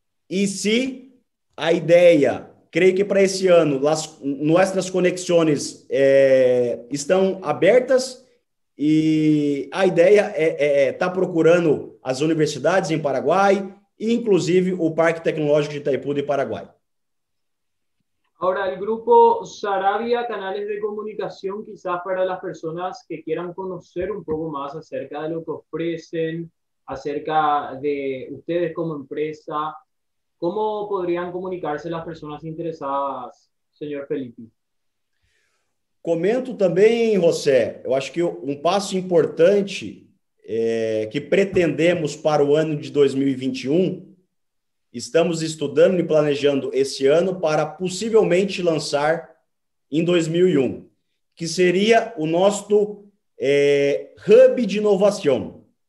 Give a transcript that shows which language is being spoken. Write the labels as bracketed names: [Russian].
[Portuguese] E se a ideia, creio que para esse ano, nossas conexões estão abertas, E a ideia é tá procurando as universidades em Paraguai, inclusive o Parque Tecnológico de Itaipu de Paraguai. [Spanish] Ahora, el grupo Saravia, canales de comunicación, quizás para las personas que quieran conocer un poco más acerca de lo que ofrecen, acerca de ustedes como empresa, ¿cómo podrían comunicarse las personas interesadas, señor Felipe? [Portuguese] Comento também, José, eu acho que um passo importante que pretendemos para o ano de 2021, estamos estudando e planejando esse ano para possivelmente lançar em 2001, que seria o nosso hub de inovação.